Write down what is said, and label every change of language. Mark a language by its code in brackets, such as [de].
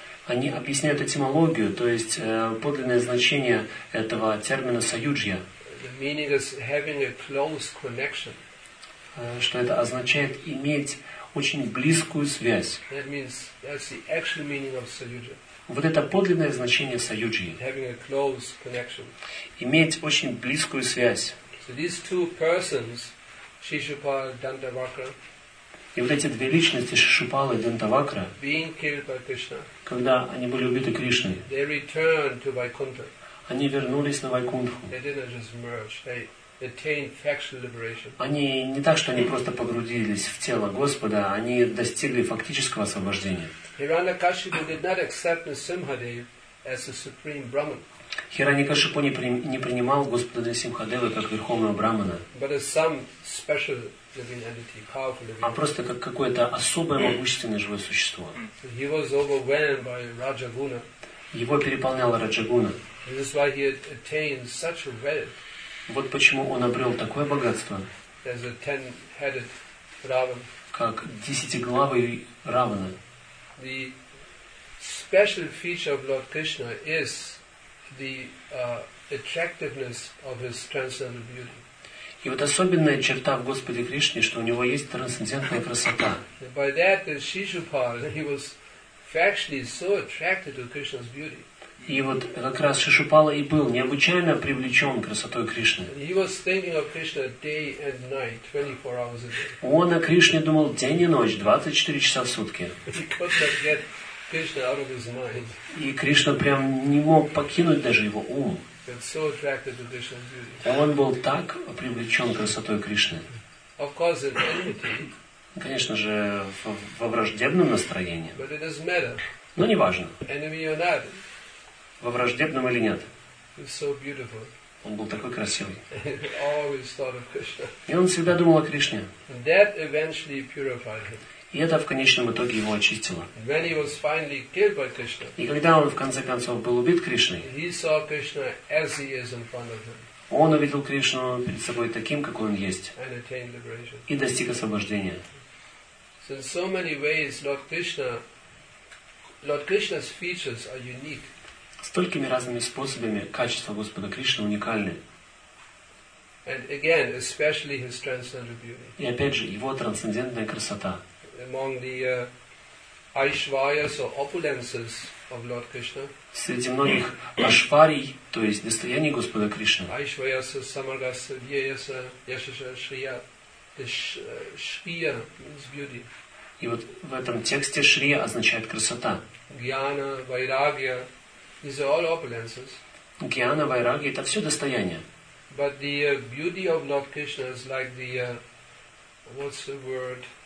[ru] Они объясняют этимологию, то есть подлинное значение этого термина саюджья. [en] The meaning is having a close connection. [ru] Что это означает иметь очень близкую связь. [en] That means that's the actual meaning of саюджья. [ru] Вот это подлинное значение саюджьи. [en] Having a close connection. [ru] Иметь очень близкую связь. [en] So these two persons, [ru] Шишупала и Дандавакра. И вот эти две личности, Шишупала и Дандавакра, [en] Krishna, [ru] когда они были убиты Кришной, [en] they returned to Vaikuntha. [ru] Они вернулись на Вайкунтху. [en] They didn't just merge. They attained factual liberation. [ru] Они не так, что они просто погрузились в тело Господа, они достигли фактического освобождения. [en] Hiranyakashipu did not accept Nrisimhadeva as the supreme Brahman. [ru] Hiranyakashipu не принимал Господа Нрисимхадевы как верховного брахмана. [en] But as some special living entity, powerful living entity. [ru] А просто как какое-то особое могущественное живое существо. [en] He was overwhelmed by Rajaguna. [ru] Его переполняла Раджагуна. [en] This is why he attained such wealth. [ru] Вот почему он обрел такое богатство. [en] As a ten-headed Ravan. [ru] Как десятиглавый Равана. [en] The special feature of Lord Krishna is the attractiveness of his transcendental beauty. [ru] И вот особенная черта в Господе Кришне, что у него есть трансцендентная красота. [en] By that, Shishupal, he was factually so attracted to Krishna's beauty. [ru] И вот как раз Шишупала и был необычайно привлечен красотой Кришны. [en] He was thinking of Krishna day and night, 24 hours a day. [ru] Он о Кришне думал день и ночь, 24 часа в сутки. [en] He could not get Krishna out of his mind. [ru] И Кришна прям не мог покинуть даже его ум. [en] So attracted to Krishna's beauty. [ru] Он был так привлечен красотой Кришны. [en] Of course, in enmity. [ru] Конечно же, во враждебном настроении. [en] But it doesn't matter. [ru] Но не важно. [en] Enemy or not. [ru] Во враждебном или нет. [en] So beautiful. [ru] Он был такой красивый. [en] Always thought of Krishna. [ru] И он всегда думал о Кришне. [en] And that eventually purified him. [ru] И это в конечном итоге его очистило. [en] And when he was finally killed by Krishna, [ru] и когда он в конце концов был убит Кришной, [en] he saw Krishna as he is in front of him. [ru] Он увидел Кришну перед собой таким, какой он есть. [en] And attained liberation. [ru] И достиг освобождения. [en] So in so many ways, Lord Krishna's features are unique. [ru] Столькими разными способами качества Господа Кришны уникальны. [en] And again, especially his transcendental beauty. [ru] И опять же, его трансцендентная красота. [en] Among the aishwaryas or opulences of Lord Krishna. [ru] Среди многих ашварий, то есть достояний Господа Кришны. [sa] Aishwaryas, samargas, vyayas, yashasa, shriya, shriya means beauty. [ru] И вот в этом тексте шрия означает красота. [sa] Jnana, vairagya. [en] These are all opulences. [ru] Гьяна, вайраги, это все достояние. [en] But the beauty of Lord Krishna is like the what's the word?